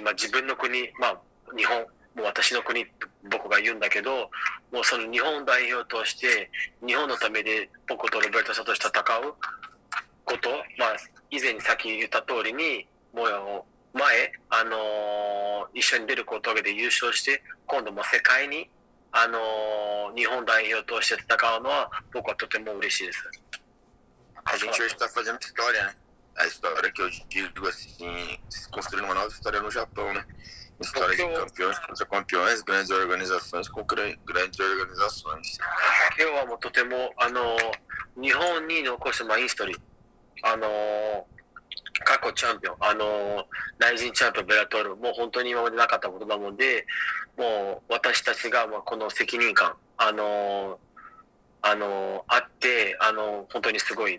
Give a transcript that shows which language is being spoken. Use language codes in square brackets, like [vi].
[ja] まあ自分の国、まあ日本、もう私の国、僕が言うんだけど、もうその日本代表として日本のためで僕とロベルトさんとして戦うこと、まあ以前にさっき言った通りに、もう前一緒に出ることで優勝して、今度も世界に。日本代表として戦うのは僕はとても嬉しいです。 [pt] A gente hoje está fazendo história, né? A história que eu digo assim, construindo uma nova história no Japão, né? História de campeões contra campeões, grandes organizações com grandes organizações. [ja] 今日はもうとても日本に残すマインストーリー。過去チャンピオン、内陣チャンピオン、ベラトール、もう本当に今までなかったことなので、もう私たちがまあこの責任感、あって、本当にすごい。